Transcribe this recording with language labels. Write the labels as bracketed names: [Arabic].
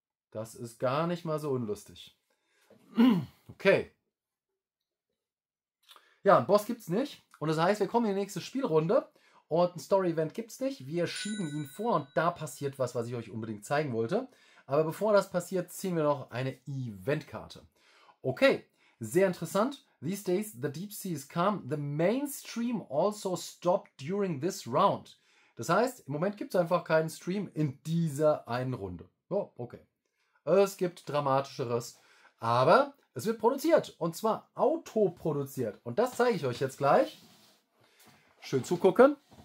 [German] Das ist gar nicht mal so unlustig. Okay. Ja, einen Boss gibt's nicht. Und das heißt, wir kommen in die nächste Spielrunde. Und ein Story-Event gibt's nicht. Wir schieben ihn vor und da passiert was, was ich euch unbedingt zeigen wollte. Aber bevor das passiert, ziehen wir noch eine Event-Karte. Okay, sehr interessant. [English] These days, the deep sea is calm. The mainstream also stopped during this round. [German] Das heißt, im Moment gibt es einfach keinen Stream in dieser einen Runde. Oh, okay. Es gibt Dramatischeres, aber es wird produziert. Und zwar autoproduziert. Und das zeige ich euch jetzt gleich. Schön zugucken.